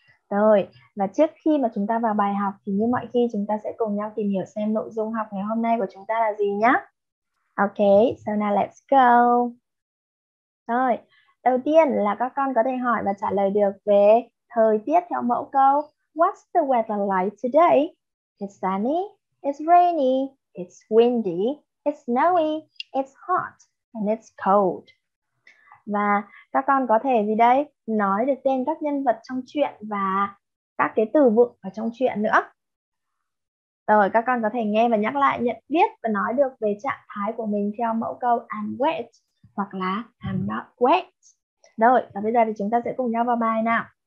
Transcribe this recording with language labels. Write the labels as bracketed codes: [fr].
[vi] Rồi, và trước khi mà chúng ta vào bài học thì như mọi khi chúng ta sẽ cùng nhau tìm hiểu xem nội dung học ngày hôm nay của chúng ta là gì nhé. [en] Ok, so now let's go. [vi] Rồi, đầu tiên là các con có thể hỏi và trả lời được về thời tiết theo mẫu câu [en] What's the weather like today? It's sunny, it's rainy, it's windy, it's snowy, it's hot, and it's cold. [vi] Và các con có thể gì đây? Nói được tên các nhân vật trong truyện và các cái từ vựng ở trong truyện nữa. Rồi, các con có thể nghe và nhắc lại, nhận biết và nói được về trạng thái của mình theo mẫu câu [en] I'm wet [vi] hoặc là [en] I'm not wet. [vi] Rồi, và bây giờ thì chúng ta sẽ cùng nhau vào bài nào.